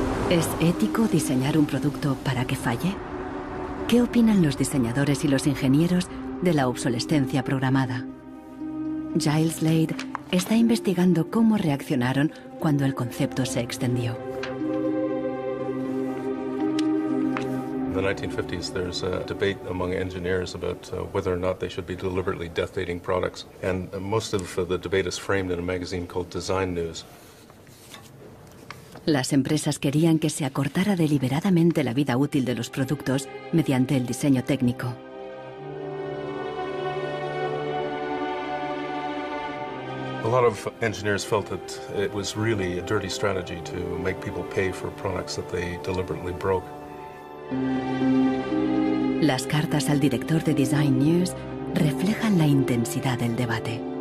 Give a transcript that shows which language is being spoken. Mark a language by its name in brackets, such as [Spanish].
[Spanish] ¿Es ético diseñar un producto para que falle? ¿Qué opinan los diseñadores y los ingenieros de la obsolescencia programada? Giles Lade está investigando cómo reaccionaron cuando el concepto se extendió. [English] In the 1950s, there's a debate among engineers about whether or not they should be deliberately death-dating products, and most of the debate is framed in a magazine called Design News. [Spanish] Las empresas querían que se acortara deliberadamente la vida útil de los productos mediante el diseño técnico. [English] A lot of engineers felt that it was really a dirty strategy to make people pay for products that they deliberately broke. [Spanish] Las cartas al director de Design News reflejan la intensidad del debate.